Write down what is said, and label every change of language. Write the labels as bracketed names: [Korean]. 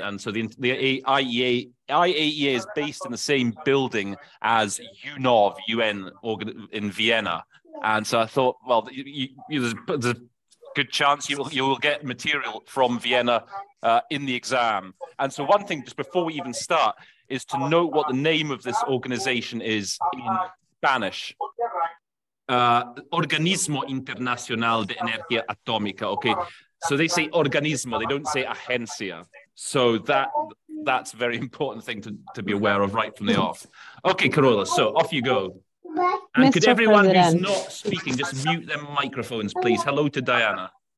[English] And so the IAEA is based in the same building as UNOV, UN in Vienna. And so I thought, well, there's a good chance you will get material from Vienna in the exam. And so one thing, just before we even start, is to note what the name of this organization is in Spanish. [Spanish] Organismo Internacional de Energía Atómica. [English] Okay, so they say organismo, they don't say agencia. So that's a very important thing to be aware of right from the off. Okay, Carola, so off you go. And Mr. could everyone President. Who's not speaking just mute their microphones, please? Hello to Diana.